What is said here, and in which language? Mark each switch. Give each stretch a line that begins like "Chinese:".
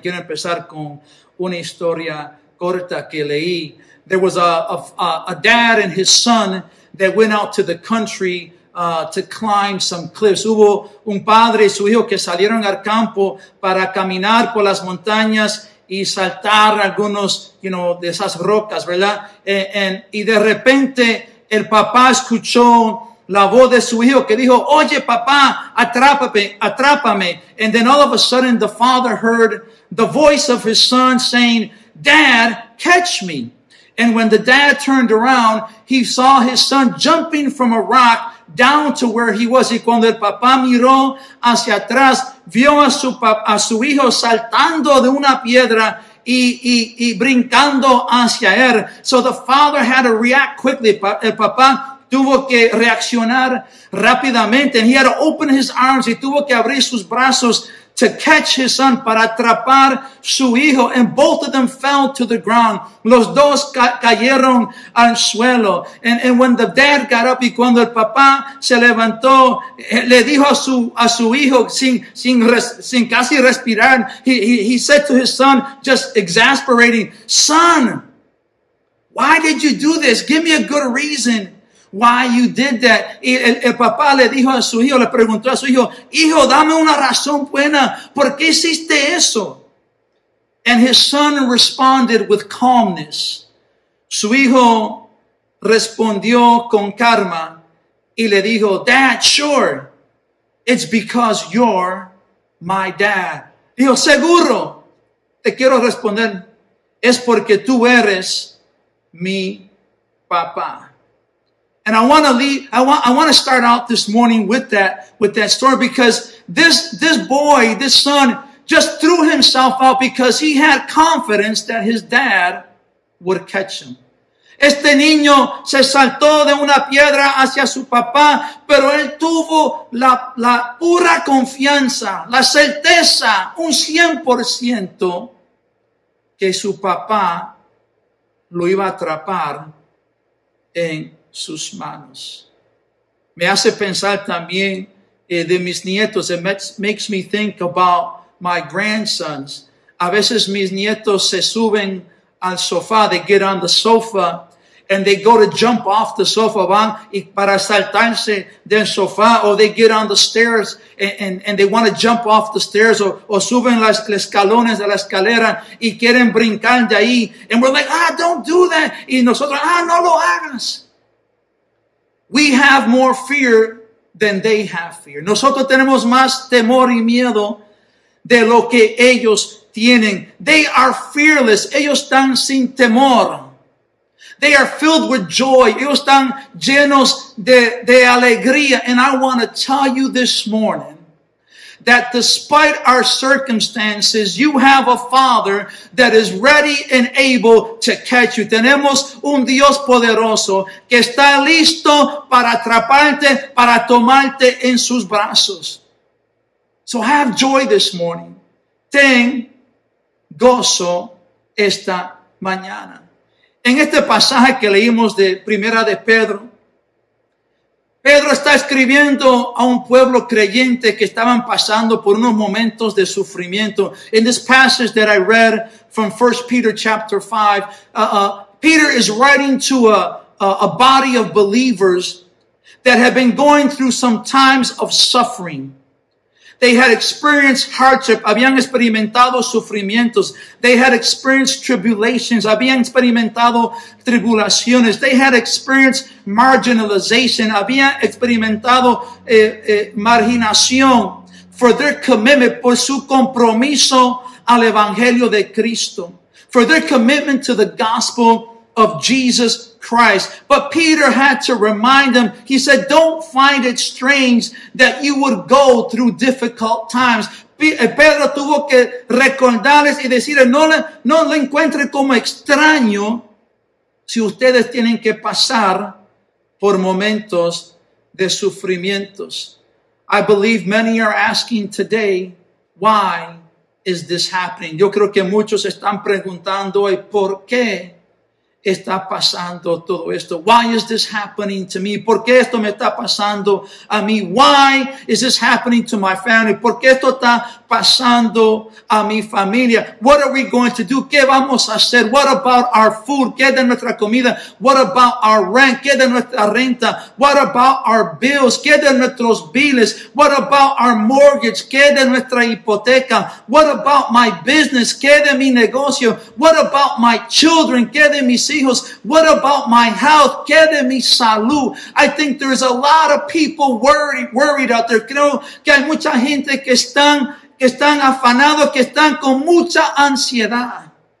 Spanish: Quiero empezar con una historia corta que leí.
English: There was a dad and his son that went out to the country to climb some cliffs.
Spanish: Hubo un padre y su hijo que salieron al campo para caminar por las montañas y saltar algunos,
English: you know,
Spanish: de esas rocas, ¿verdad? Y de repente el papá escuchó la voz de su hijo que dijo, oye papá, atrápame, atrápame.
English: And then all of a sudden the father heard the voice of his son saying, Dad, catch me. And when the dad turned around, he saw his son jumping from a rock down to where he was.
Spanish: Y cuando el papá miró hacia atrás, vio a su hijo saltando de una piedra y brincando hacia él.
English: So the father had to react quickly.
Spanish: El papá tuvo que reaccionar rápidamente.
English: And he had to open his arms.
Spanish: Y tuvo que abrir sus brazos
English: to catch his son,
Spanish: para atrapar su hijo.
English: And both of them fell to the ground.
Spanish: Los dos cayeron al suelo.
English: And when the dad got up,
Spanish: y cuando el papá se levantó, le dijo a su hijo sin casi respirar,
English: he said to his son, just exasperating, son, why did you do this? Give me a good reason why you did that.
Spanish: Y el papá le dijo a su hijo, le preguntó a su hijo, hijo, dame una razón buena, ¿por qué hiciste eso?
English: And his son responded with calmness.
Spanish: Su hijo respondió con calma y le dijo,
English: Dad, sure, it's because you're my dad.
Spanish: Dijo, seguro, te quiero responder, es porque tú eres mi papá.
English: And I want to start out this morning with that story, because this boy, this son, just threw himself out because he had confidence that his dad would catch him.
Spanish: Este niño se saltó de una piedra hacia su papá, pero él tuvo la pura confianza, la certeza, un 100% que su papá lo iba a atrapar en sus manos. Me hace pensar también de mis nietos.
English: It makes me think about my grandsons.
Spanish: A veces mis nietos se suben al sofá.
English: They get on the sofa and they go to jump off the sofa,
Spanish: van y para saltarse del sofá,
English: or they get on the stairs and they want to jump off the stairs, or
Spanish: suben las escalones de la escalera y quieren brincar de ahí.
English: And we're like, ah, don't do that.
Spanish: Y nosotros, ah, no lo hagas.
English: We have more fear than they have fear.
Spanish: Nosotros tenemos más temor y miedo de lo que ellos tienen.
English: They are fearless.
Spanish: Ellos están sin temor.
English: They are filled with joy.
Spanish: Ellos están llenos de alegría.
English: And I want to tell you this morning that despite our circumstances, you have a Father that is ready and able to catch you.
Spanish: Tenemos un Dios poderoso que está listo para atraparte, para tomarte en sus brazos.
English: So have joy this morning.
Spanish: Ten gozo esta mañana. En este pasaje que leímos de Primera de Pedro, Pedro está escribiendo a un pueblo creyente que estaban pasando por unos momentos de sufrimiento.
English: In this passage that I read from 1 Peter chapter 5, Peter is writing to a body of believers that have been going through some times of suffering. They had experienced hardship.
Spanish: Habían experimentado sufrimientos.
English: They had experienced tribulations.
Spanish: Habían experimentado tribulaciones.
English: They had experienced marginalization.
Spanish: Habían experimentado marginación
English: for their commitment,
Spanish: por su compromiso al Evangelio de Cristo,
English: for their commitment to the gospel of Jesus Christ. But Peter had to remind them. He said, don't find it strange that you would go through difficult times.
Spanish: Pedro tuvo que recordarles y decirles, no le encuentre como extraño si ustedes tienen que pasar por momentos de sufrimientos.
English: I believe many are asking today, why is this happening?
Spanish: Yo creo que muchos están preguntando hoy, ¿por qué está pasando todo esto?
English: Why is this happening to me?
Spanish: ¿Por qué esto me está pasando a mí?
English: Why is this happening to my family?
Spanish: ¿Por qué esto está pasando a mi familia?
English: What are we going to do?
Spanish: ¿Qué vamos a hacer?
English: What about our food?
Spanish: ¿Qué de nuestra comida?
English: What about our rent?
Spanish: ¿Qué de nuestra renta?
English: What about our bills?
Spanish: ¿Qué de nuestros biles?
English: What about our mortgage?
Spanish: ¿Qué de nuestra hipoteca?
English: What about my business?
Spanish: ¿Qué de mi negocio?
English: What about my children?
Spanish: ¿Qué de mis hijos?
English: What about my health?
Spanish: ¿Qué de mi salud?
English: I think there's a lot of people worried out there.
Spanish: Creo que hay mucha gente que están afanados, que están con mucha ansiedad.